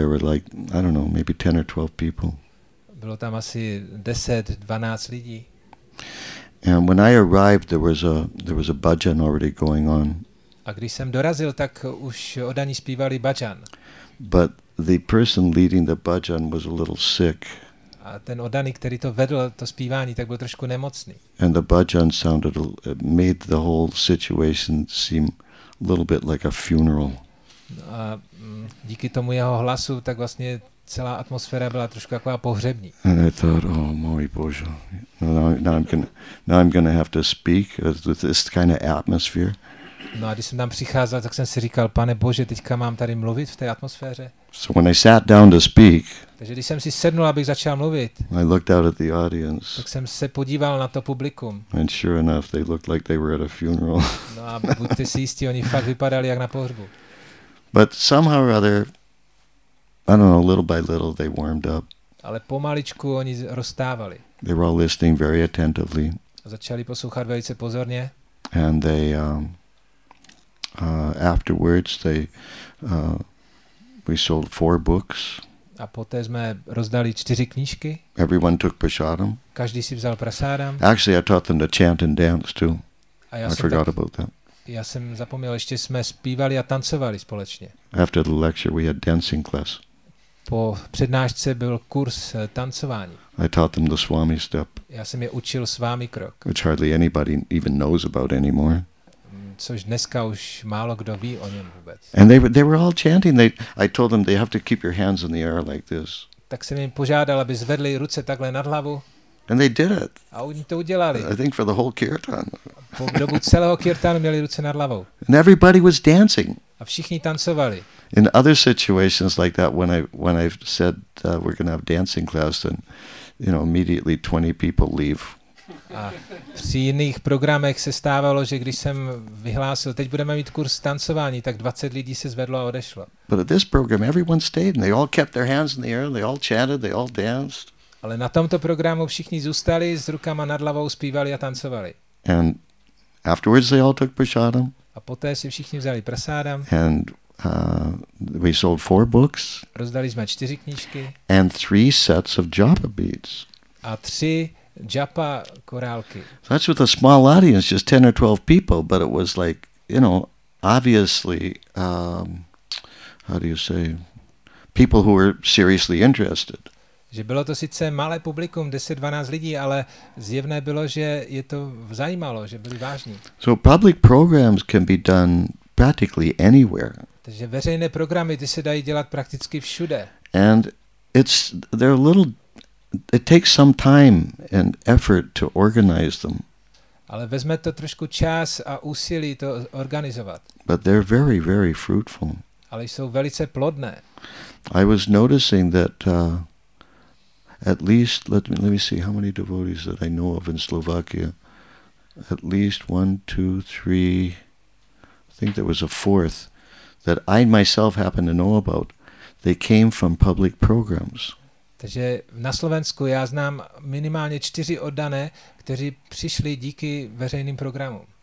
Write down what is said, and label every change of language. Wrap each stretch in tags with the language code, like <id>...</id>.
<en>There were like, I don't know, maybe 10 or 12 people.</en> <cs>Bylo tam asi 10-12 lidí.</cs> <en>And when I arrived, there was a bhajan already going on.</en> <cs>A když jsem dorazil, tak už odaní zpívali bhajan.</cs> <en>But the person leading the bhajan was a little sick.</en> <cs>A ten odaný, který to vedl, to zpívání, tak byl trošku nemocný.</cs> <en>And the bhajan made the whole situation seem a little bit like a funeral.</en> <cs>A díky tomu jeho hlasu, tak vlastně celá atmosféra byla trošku jako pohřební.</cs> <en>And I thought, oh,</en> <cs>můj bože,</cs> <en>now I'm gonna have to speak with this kind of atmosphere.</en> <cs>No a když jsem tam přicházel, tak jsem si říkal, pane Bože, teďka mám tady mluvit v té atmosféře.</cs> <en>So when I sat down to speak,</en> <cs>takže když jsem si sednul, abych začal mluvit,</cs> <en>I looked out at the audience,</en> <cs>tak jsem se podíval na to publikum.</cs> <en>And sure enough, they looked like they were at a funeral.</en> <cs>No a buďte si jistí, oni fakt vypadali jak na pohřbu.</cs> <en>But somehow or other, I don't know, little by little they warmed up.</en> <cs>Ale pomaličku oni roztávali.</cs> <en>They were all listening very attentively.</en> <cs>A začali poslouchat velice pozorně.</cs> <en>And they afterwards they we sold 4 books.</en> <cs>A poté jsme rozdali 4 knížky.</cs> <en>Everyone took prasadam.</en> <cs>Každý si vzal prasadam.</cs> <en>Actually I taught them to chant and dance too. I forgot about that.</en> <cs>Já jsem zapomněl, ještě jsme zpívali a tancovali společně.</cs> <en>After the lecture we had dancing class.</en> <cs>Po přednášce byl kurz tancování.</cs> <en>I taught them the Swami step.</en> <cs>Já jsem je učil Swami krok.</cs> <en>Which hardly anybody even knows about anymore.</en> <cs>Což dneska už málo kdo ví o něm vůbec.</cs> <en>And they were all chanting. I told them they have to keep your hands in the air like this.</en> <cs>Tak jsem jim požádal, aby zvedli ruce takhle nad hlavu.</cs> <en>And they did it.</en> <cs>A oni to udělali.</cs> <en>I think for the whole kirtan.</en> <cs>Po dobu celého kirtanu měli ruce nad hlavou.</cs> <en>And everybody was dancing.</en> <cs>A všichni tancovali.</cs> <en>In other situations like that, when I've said we're going to have dancing class, then you know immediately 20 people leave.</en> <cs>A v jiných programech se stávalo, že když jsem vyhlásil, teď budeme mít kurz tancování, tak 20 lidí se zvedlo a odešlo.</cs> <en>But at this program, everyone stayed and they all kept their hands in the air, they all chanted, they all danced.</en> <cs>Ale na tomto programu všichni zůstali s rukama nad hlavou, zpívali a tancovali.</cs> <en>And afterwards they all took prasadam.</en> <cs>A poté si všichni vzali prasadam.</cs> <en>And we sold 4 books.</en> <cs>Rozdali jsme 4 knížky.</cs> <en>And 3 sets of japa beads.</en> <cs>A 3 japa korálky.</cs> <en>So that's with a small audience, just 10 or 12 people, but it was like, you know, obviously, how do you say, people who were seriously interested.</en> <cs>Že bylo to sice malé publikum, 10-12 lidí, ale zjevné bylo, že je to zajímalo, že byli vážní.</cs> <en>So public programs can be done practically anywhere.</en> <cs>Takže veřejné programy, ty se dají dělat prakticky všude.</cs> <en>And it's, they're a little, it takes some time and effort to organize them.</en> <cs>Ale vezme to trošku čas a úsilí to organizovat.</cs> <en>But they're very, very fruitful.</en> <cs>Ale jsou velice plodné.</cs> <en>I was noticing that at least, let me see how many devotees that I know of in Slovakia. At least 1, 2, 3, I think there was a fourth that I myself happen to know about. They came from public programs.</en> <cs>Takže na Slovensku já znám minimálně 4 oddané, kteří přišli díky veřejným programům.</cs>